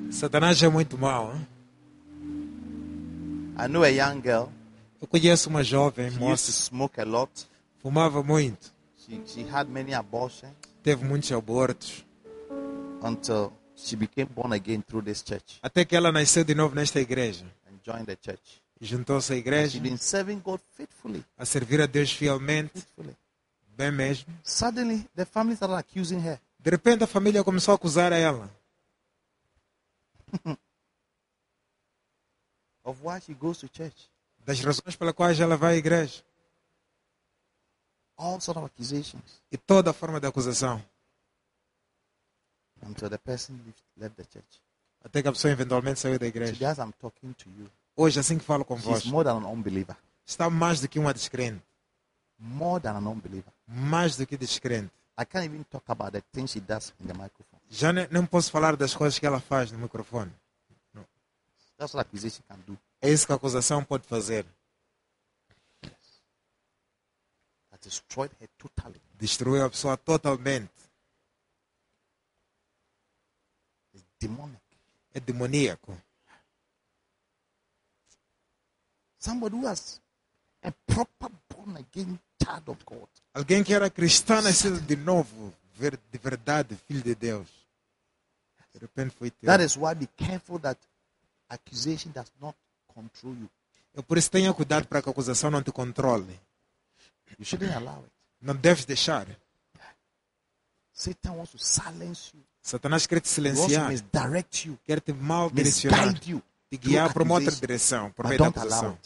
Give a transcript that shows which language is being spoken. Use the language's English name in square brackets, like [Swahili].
[Portuguese] Satanás é muito mau. [English] I knew a young girl. [Portuguese] Eu conheço uma jovem moça. [English] She used to smoke a lot. [Portuguese] Fumava muito. [English] She had many abortions. [Portuguese] Teve muitos abortos. [English] Until she became born again through this church. [Portuguese] Até que ela nasceu de novo nesta igreja. [English] And joined the church. [Portuguese] E juntou-se à igreja. [English] She's been serving God faithfully. [Portuguese] A servir a Deus fielmente. [English] Faithfully. [Portuguese] Bem mesmo. [English] Suddenly, the family started accusing her. [Portuguese] De repente a família começou a acusar a ela. [English] Of why she goes to church. [Portuguese] Das razões pelas quais ela vai à igreja. [English] All sort of accusations. [Portuguese] E toda forma de acusação. [English] Until the person left the church. [Portuguese] Até que a pessoa eventualmente saiu da igreja. [English] Today, as I'm talking to you, [Portuguese] hoje, assim que falo convosco, [English] she's more than an unbeliever. [Portuguese] Está mais do que uma descrente. [English] More than an unbeliever. [Portuguese] Mais do que descrente. [English] I can't even talk about the things she does in the microphone. [Portuguese] Já não posso falar das coisas que ela faz no microfone. [English] No. That's what accusation can do. [Portuguese] É isso que a acusação pode fazer. [English] That destroyed her totally. [Portuguese] Destruiu a pessoa totalmente. [English] It's demonic. [Portuguese] É demoníaco. [English] Somebody who has a proper born again child of God. [Portuguese] Alguém que era cristão nasceu de novo, de verdade, filho de Deus. De repente foi teu. [English] That is why be careful that accusation does not control you. [Portuguese] Eu por isso tenha cuidado para que a acusação não te controle. [English] You shouldn't allow it. [Portuguese] Não deves deixar. [English] Satan wants to silence you. [Portuguese] Satanás quer te silenciar. [English] He wants to misdirect you. [Portuguese] Quer te mal direcionar. [English] Misguide you. [Portuguese] Te guiar para uma outra direção, por meio da acusação.